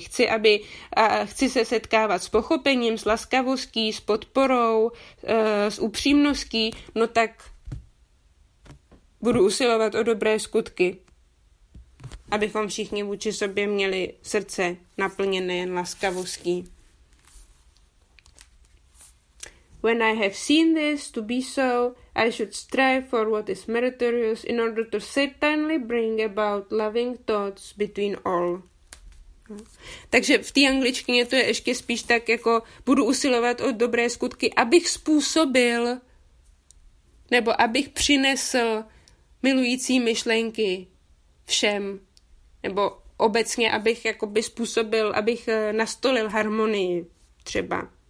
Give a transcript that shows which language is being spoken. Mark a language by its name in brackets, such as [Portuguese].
[Czech] Chci se setkávat s pochopením, s laskavostí, s podporou, s upřímností, no tak budu usilovat o dobré skutky, abychom všichni vůči sobě měli srdce naplněné jen laskavostí. [English] When I have seen this to be so, I should strive for what is meritorious in order to certainly bring about loving thoughts between all. [Czech] Takže v té angličtině to je ještě spíš tak jako budu usilovat o dobré skutky, abych způsobil nebo abych přinesl milující myšlenky všem, nebo obecně, abych jakoby způsobil, abych nastolil harmonii třeba.